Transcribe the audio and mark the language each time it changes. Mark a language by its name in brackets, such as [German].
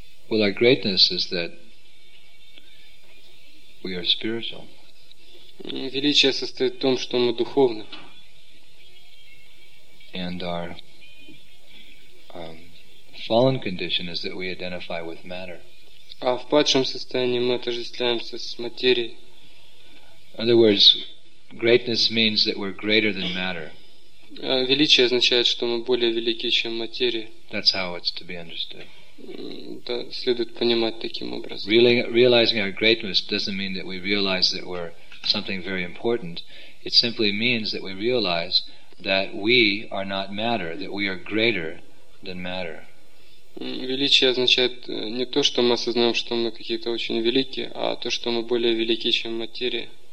[English] Well, our greatness is that we are spiritual. [Russian] Величие состоит в том, что мы духовны. [English] And our fallen condition is that we identify with matter. [Russian] А в падшем состоянии мы отождествляемся с материей. [English] In other words, greatness means that we're greater than matter. [Russian] Величие означает, что мы более велики, чем материя. [English] That's how it's to be understood. [Russian] Это следует понимать таким образом. [English] Really, realizing our greatness doesn't mean that we realize that we're something very important. It simply means that we realize that we are not matter, that we are greater than matter. [Russian] Величие означает не то, что мы осознаем, что мы какие-то очень великие, а то, что мы более велики, чем материя.